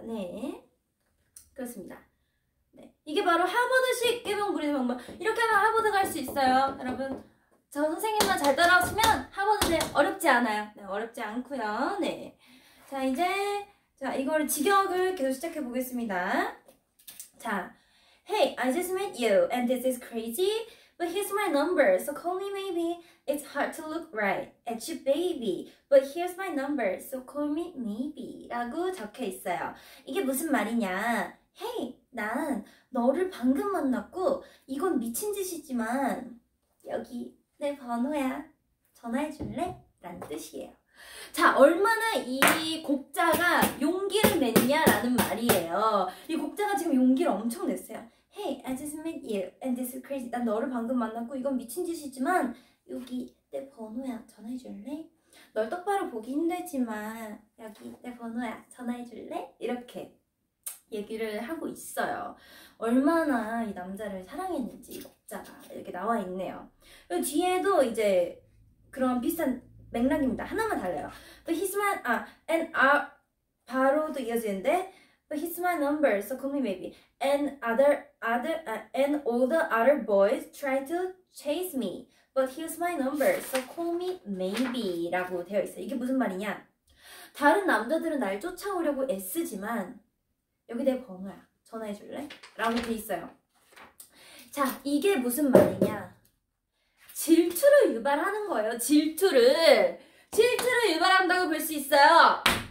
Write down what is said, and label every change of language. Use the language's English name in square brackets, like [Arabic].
[Korean] 네, 그렇습니다. 네, 이게 바로 하버드식 꾀병 부리는 방법. 이렇게 하면 하버드 갈수 있어요, 여러분. 저 선생님만 잘 따라오시면 하버드는 어렵지 않아요. 네, 어렵지 않고요. 네, 자 이제 이걸 직역을 계속 시작해 보겠습니다. [English] 자, Hey, I just met you, and this is crazy. But here's my number, so call me maybe. It's hard to look right at you, baby. But here's my number, so call me maybe. [Korean] 라고 적혀 있어요. 이게 무슨 말이냐? Hey, 난 너를 방금 만났고, 이건 미친 짓이지만, 여기 내 번호야. 전화해 줄래? 라는 뜻이에요. 자, 얼마나 이 곡자가 용기를 냈냐라는 말이에요. 이 곡자가 지금 용기를 엄청 냈어요. [English] Hey, I just met you, and this is crazy. [Korean] 난 너를 방금 만났고, 이건 미친 짓이지만, 여기 내 번호야, 전화해줄래? 널 똑바로 보기 힘들지만, 여기 내 번호야, 전화해줄래? 이렇게 얘기를 하고 있어요. 얼마나 이 남자를 사랑했는지, 이 곡자가 이렇게 나와 있네요. 이 뒤에도 이제 그런 비슷한 맥락입니다. 하나만 달라요. [English] But he's my, [Korean] 바로도 이어지는데, [English] But he's my number, so call me maybe. And all the other boys try to chase me. But here's my number, so call me maybe. [Korean] 라고 되어 있어요. 이게 무슨 말이냐? 다른 남자들은 날 쫓아오려고 애쓰지만, 여기 내 번호야. 전화해줄래? 라고 되어 있어요. 자, 이게 무슨 말이냐? 질투를 유발하는 거예요. 질투를. 질투를 유발한다고 볼수 있어요.